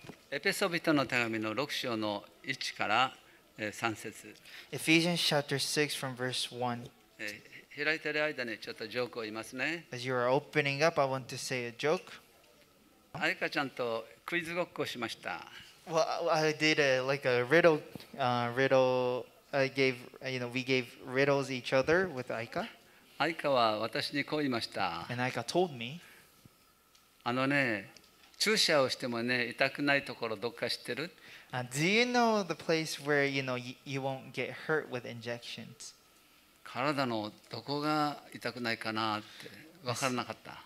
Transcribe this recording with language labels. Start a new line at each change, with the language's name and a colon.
Japanese: エペソ人の手紙の6章の1から3節。
English: Ephesians chapter 6 from verse 1.
Japanese: 開いてる間にちょっとジョークを言いますね。
English: As you are opening up, I want to say a joke.
Japanese: アイカちゃんとクイズごっこしました。
English: Well, I did we gave riddles each other with Aika.
Japanese: Aika は私にこう言いました。
English: And Aika told me,
Japanese: あのね、注射をしてもね、痛くないところどっか知ってる？
English: Do you know the place where you know you won't get hurt with injections?
Japanese: 体のどこが痛くないかなって分からなかった。